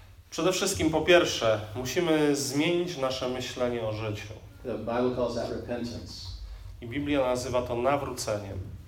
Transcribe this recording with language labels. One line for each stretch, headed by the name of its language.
Polish: Przede wszystkim, po pierwsze, musimy zmienić nasze myślenie o życiu.
English: The Bible calls that repentance.
Polish: I Biblia nazywa to nawróceniem.